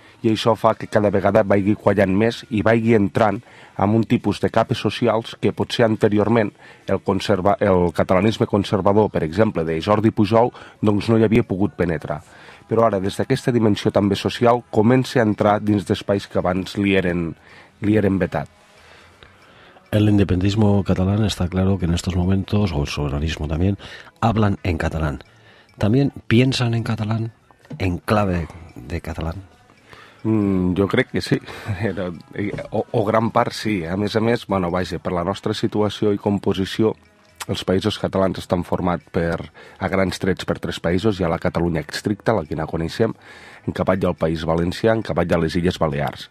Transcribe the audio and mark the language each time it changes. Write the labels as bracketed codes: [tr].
[ca] I això fa que cada vegada vagi quallant més i vagi entrant en un tipus de capes socials que potser anteriorment el catalanisme conservador, per exemple, de Jordi Pujol, doncs no hi havia pogut penetrar. Però ara, des d'aquesta dimensió també social, comença a entrar dins d'espais que abans li eren vetat. [es] El independentismo catalán está claro que en estos momentos, o el soberanismo también, hablan en catalán. ¿También piensan en catalán, en clave de catalán? [ca] Jo crec que sí, o gran part sí. A més, bueno, vaja, per la nostra situació i composició, els països catalans estan formats per, a grans trets, per tres països. Hi ha la Catalunya estricta, la que no coneixem, encapat del País Valencià, encapat de les Illes Balears.